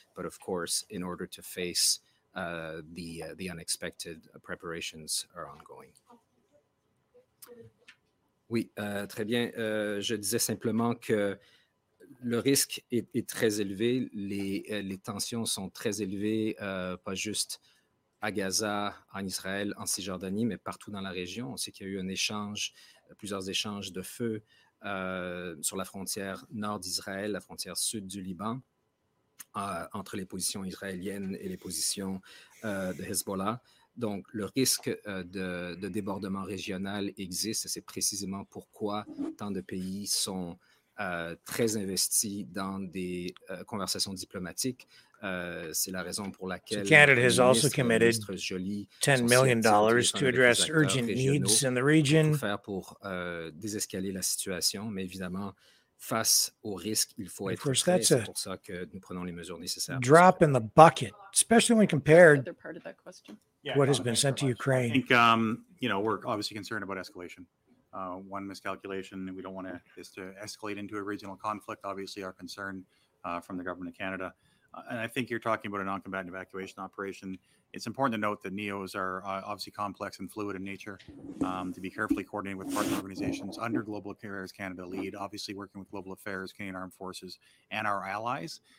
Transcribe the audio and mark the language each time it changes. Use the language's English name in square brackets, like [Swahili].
[English] But of course, in order to face the unexpected, preparations are ongoing. [French] Oui, très bien. Je disais simplement que le risque est très élevé. Les tensions sont très élevées, pas juste à Gaza, en Israël, en Cisjordanie, mais partout dans la région. On sait qu'il y a eu un échange, plusieurs échanges de feu sur la frontière nord d'Israël, la frontière sud du Liban, entre les positions israéliennes et les positions de Hezbollah. Donc, le risque de débordement régional existe. C'est précisément pourquoi tant de pays sont très investis dans des conversations diplomatiques. C'est la raison pour laquelle [English] Canada has also committed $10 million to address urgent needs in the region. [French] Pour faire pour désescaler la situation, mais évidemment, face au risque, il faut être prêt. C'est pour ça que nous prenons les mesures nécessaires. [English] Drop in the bucket, especially when compared. Another part of that question. Yeah, what has been sent to Ukraine? I think, you know, we're obviously concerned about escalation. One miscalculation, we don't want this to escalate into a regional conflict, obviously our concern from the government of Canada. And I think you're talking about a non-combatant evacuation operation. It's important to note that NEOs are obviously complex and fluid in nature, to be carefully coordinated with partner organizations under Global Affairs Canada lead, obviously working with Global Affairs, Canadian Armed Forces, and our allies.